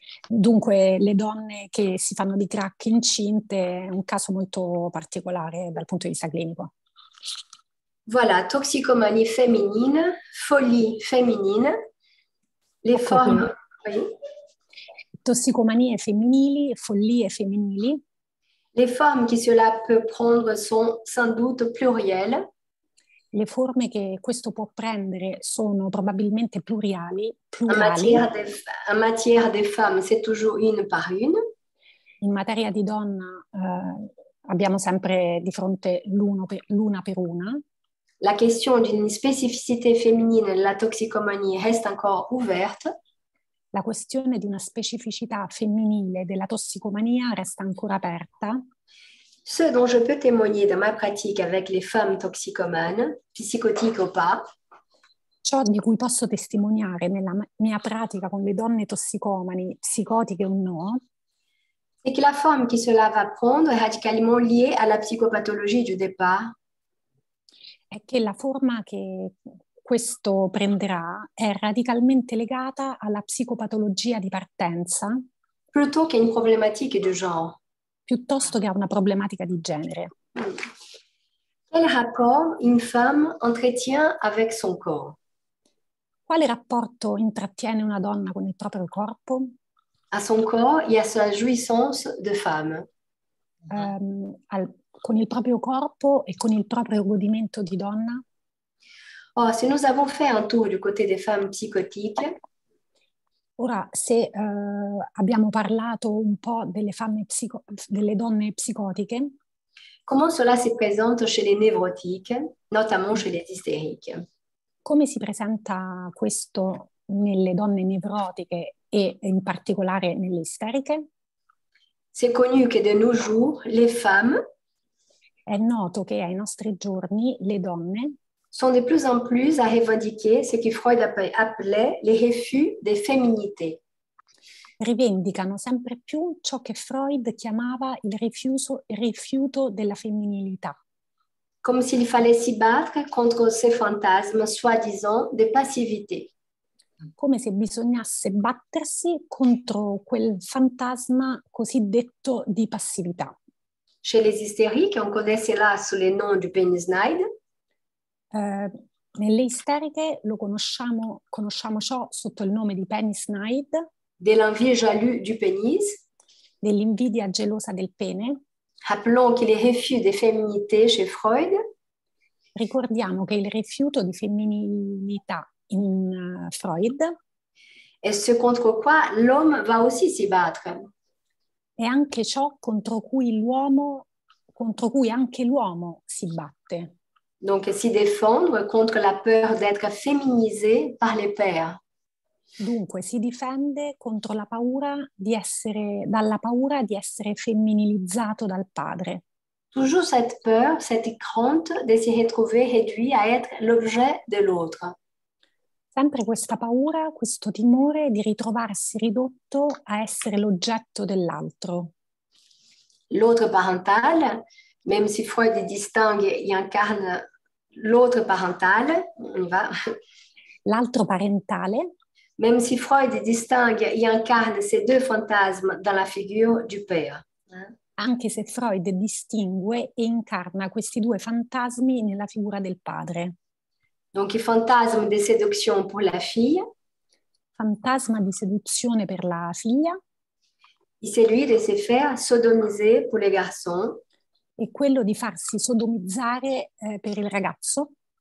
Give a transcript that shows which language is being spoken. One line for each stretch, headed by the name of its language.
Italian: Dunque, le donne che si fanno di crack incinte è un caso molto particolare dal punto di vista clinico.
French: Voilà, toxicomanie féminine, folie féminine, le forme. Oui.
Italian: Tossicomanie femminili, follie femminili. Le forme che
French: cela peut prendre sont sans doute plurielles.
Italian: Le forme che questo può prendere sono probabilmente pluriali.
French: En matière de femmes, c'est toujours une par une.
Italian: In materia di donna abbiamo sempre di fronte l'una per una.
French: La question d'une spécificité féminine, la toxicomanie, reste encore ouverte.
Italian: La questione di una specificità femminile della tossicomania resta ancora aperta.
French: Ce dont je peux témoigner dans ma pratique avec les femmes toxicomanes, psychotiques ou pas.
Italian: Ciò di cui posso testimoniare nella mia pratica con le donne tossicomani, psicotiche o no.
French: C'est que la forme qui cela va prendre est radicalement liée à la psicopatologie du départ.
Italian: È che la forma che questo prenderà è radicalmente legata alla psicopatologia di partenza.
French: Plutôt qu'à une problématique du genre.
Italian: Piuttosto che a una problematica di genere.
French: Quel rapport une femme entretient avec son corps?
Italian: Quale rapporto intrattiene una donna con il proprio corpo?
French: A son corps et à sa jouissance de femme.
Italian: Con il proprio corpo e con il proprio godimento di donna?
French: Oh, se nous avons fait un tour du côté des femmes psychotiques.
Italian: Ora, se abbiamo parlato un po' delle donne psicotiche.
French: Comment cela se présente chez les névrotiques, notamment chez les hystériques?
Italian: Come si presenta questo nelle donne nevrotiche e in particolare nelle isteriche?
French: C'est connu que de nos jours, les femmes.
Italian: È noto che ai nostri giorni le donne.
French: Sont de plus en plus à revendiquer ce que Freud appelait les refus des féminités.
Italian: Rivendicano sempre più ciò che Freud chiamava il rifiuto della femminilità.
French: Comme s'il fallait s'y battre contre ces fantasmes soi-disant de passivité.
Italian: Come se bisognasse battersi contro quel fantasma cosiddetto di passività.
French: Chez les hystériques, on connaît cela sous le nom du penis Knight.
Italian: Nelle isteriche lo conosciamo ciò sotto il nome di penis Knight.
French: De l'envie jalouse du pénis.
Italian: Dell'invidia gelosa del pene.
French: Rappelons qu'il est refus des féminités chez Freud.
Italian: Ricordiamo che il rifiuto di femminilità in Freud.
French: Et ce contre quoi l'homme va aussi s'y battre.
Italian: È anche ciò contro cui anche l'uomo si batte.
French: Donc si défendre contre la peur d'être féminisé par les pères.
Italian: Dunque si difende contro la paura di essere dalla paura di essere femminilizzato dal padre.
French: Toujours cette peur, cette crainte de se retrouver réduit à être l'objet de l'autre.
Italian: Sempre questa paura, questo timore di ritrovarsi ridotto a essere l'oggetto dell'altro.
French: L'autre parental, même si Freud distingue et incarne l'autre parental, on y va.
Italian: L'altro parentale.
French: Même si Freud distingue et incarne ces deux fantasmes dans la figure du père.
Italian: Anche se Freud distingue e incarna questi due fantasmi nella figura del padre.
French: Donc il fantasme de séduction pour la fille.
Italian: Fantasma di seduzione per la figlia.
French: Et celui de se faire sodomiser pour les garçons.
Italian: E quello di farsi sodomizzare per il ragazzo.